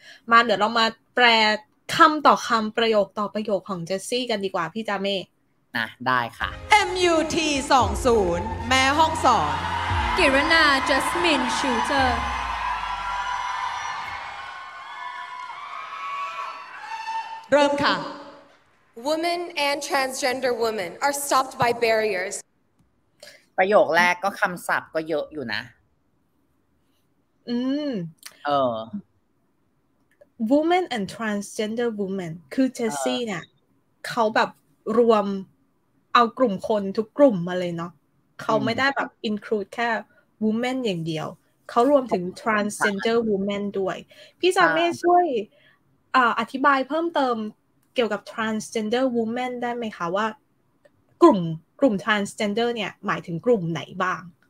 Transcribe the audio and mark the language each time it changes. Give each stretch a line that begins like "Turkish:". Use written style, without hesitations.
Thai: มาเดี๋ยวเรามาแปลคำต่อคำประโยคต่อประโยคของเจสซี่กันดีกว่าพี่จาเม่นะได้ค่ะ MUT 20แม่ห้องสอนกิรณาจัสมินชูเตอร์เริ่มค่ะ
English: Women and transgender women are stopped by barriers
Thai: ประโยคแรกก็คำศัพท์ก็เยอะอยู่นะ อืม เออ
English: Women and transgender women
Thai: คือเจสซี่เนี่ยเขาแบบรวมเอากลุ่มคนทุกกลุ่มมาเลยเนาะเขาไม่ได้แบบ include แค่women อย่างเดียวเขารวมถึง transgender women ด้วยพี่จามเม่ช่วยอธิบายเพิ่มเติมเกี่ยวกับ transgender women ได้ไหมคะว่ากลุ่ม transgender เนี่ยหมายถึงกลุ่มไหนบ้าง